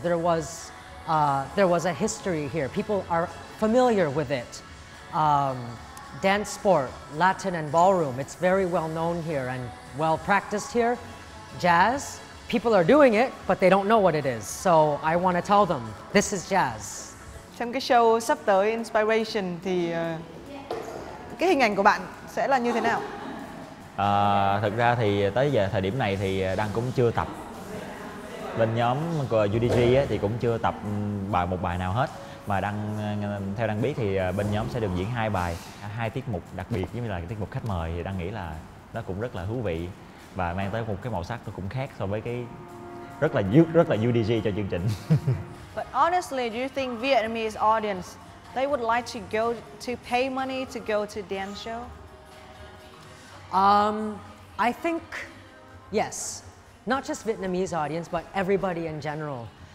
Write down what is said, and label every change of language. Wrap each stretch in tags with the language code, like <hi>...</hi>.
<en>There was a history here. People are familiar with it. dance sport, Latin and ballroom, it's very well known here and well practiced here. Jazz, people are doing it, but they don't know what it is. So I want to tell them, this is jazz.</en> <vi>Trong cái show sắp tới Inspiration thì cái hình ảnh của bạn sẽ là như thế nào? Thực ra thì tới giờ thời điểm này thì Đăng cũng chưa tập. Bên nhóm của UDG thì cũng chưa tập bài một bài nào hết. Mà Đăng, theo Đăng biết thì bên nhóm sẽ được diễn hai bài, hai tiết mục đặc biệt giống như là tiết mục khách mời, thì Đăng nghĩ là nó cũng rất là thú vị và mang tới một cái màu sắc nó cũng khác so với cái rất là UDG cho chương trình.</vi> <en>But honestly, do you think Vietnamese audience, they would like to go to pay money to go to dance show? I think yes. Not just Vietnamese audience, but everybody in general.</en>